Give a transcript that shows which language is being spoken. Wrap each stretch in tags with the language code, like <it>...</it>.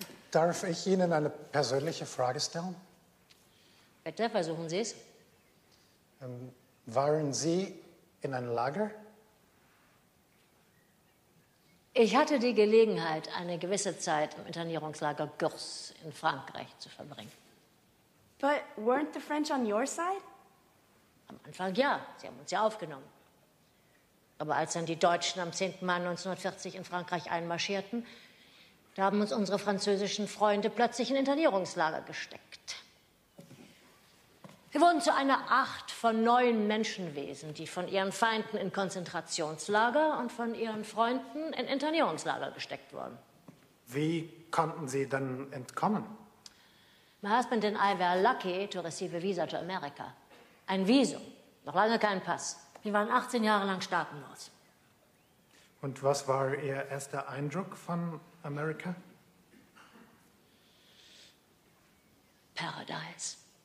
<de>Darf ich Ihnen eine persönliche Frage stellen? Bitte, versuchen Sie es. Waren Sie in einem Lager? Ich hatte die Gelegenheit, eine gewisse Zeit im Internierungslager Gurs in Frankreich zu verbringen.</de> <en>But weren't the French on your side?</en> <de>Am Anfang ja, sie haben uns ja aufgenommen. Aber als dann die Deutschen am 10. Mai 1940 in Frankreich einmarschierten, da haben uns unsere französischen Freunde plötzlich in Internierungslager gesteckt. Wir wurden zu einer Art von neuen Menschenwesen, die von ihren Feinden in Konzentrationslager und von ihren Freunden in Internierungslager gesteckt wurden. Wie konnten Sie denn entkommen?</de> <en>My husband and I were lucky to receive a visa to America.</en> <de>Ein Visum, noch lange kein Pass. Wir waren 18 Jahre lang staatenlos. Und was war Ihr erster Eindruck von Amerika?</de> <en>Paradise.</en>